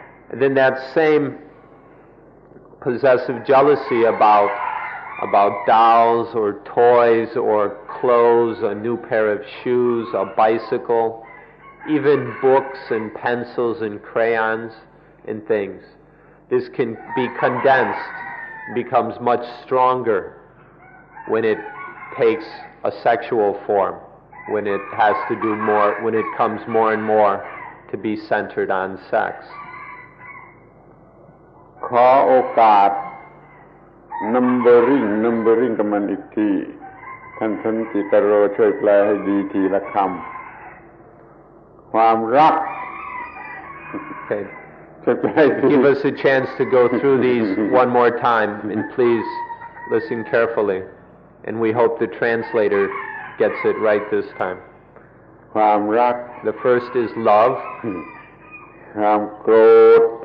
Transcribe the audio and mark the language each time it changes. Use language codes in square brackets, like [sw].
[en] And then that same possessive jealousy about dolls or toys or clothes, a new pair of shoes, a bicycle, even books and pencils and crayons and things. This can be condensed, becomes much stronger when it takes a sexual form. When it has to do more, when it comes more and more to be centered on sex. [th] ขอโอกาส numbering กับมันอีกทีท่านสันติกโรช่วยแปลให้ดีทีละคำความรัก [en] Okay. Give us a chance to go through these one more time and please listen carefully. And we hope the translator gets it right this time. [th] ความรัก [en] The first is love. [th] ความโกรธ